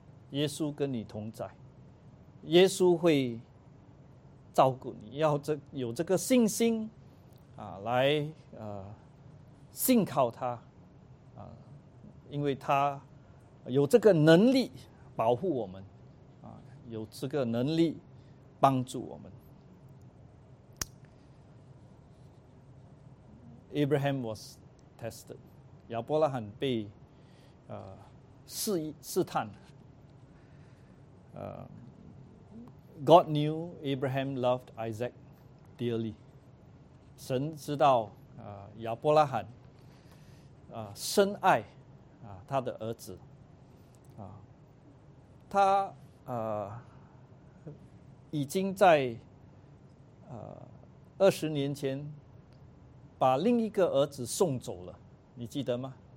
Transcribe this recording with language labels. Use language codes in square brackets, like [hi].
[zh] 耶稣跟你同在，耶稣会照顾你，要有这个信心来信靠他因为他有这个能力保护我们有这个能力帮助我们。 [en] Abraham was tested， [zh] 亚伯拉罕被试探。 [en] God knew Abraham loved Isaac dearly. [zh] 神知道亚伯拉罕深爱他的儿子。他已经在20年前把另一个儿子送走了，你记得吗？